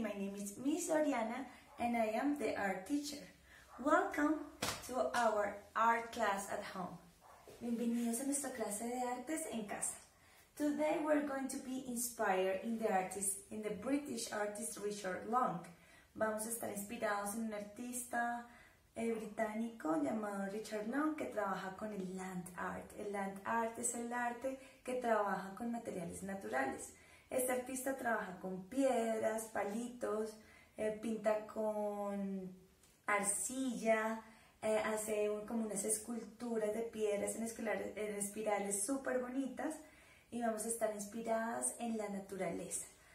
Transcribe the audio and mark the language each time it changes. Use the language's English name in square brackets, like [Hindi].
[English] My name is Miss Oriana, and I am the art teacher. Welcome to our art class at home. [Spanish] Bienvenidos a nuestra clase de artes en casa. [English] Today, we're going to be inspired in the artist, in the British artist Richard Long. [Spanish] Vamos a estar inspirados en un artista británico llamado Richard Long, que trabaja con el land art. El land art es el arte que trabaja con materiales naturales. Este artista trabaja con piedras, palitos, pinta con arcilla, hace como unas esculturas de piedras en espirales súper bonitas y vamos a estar inspiradas en la naturaleza.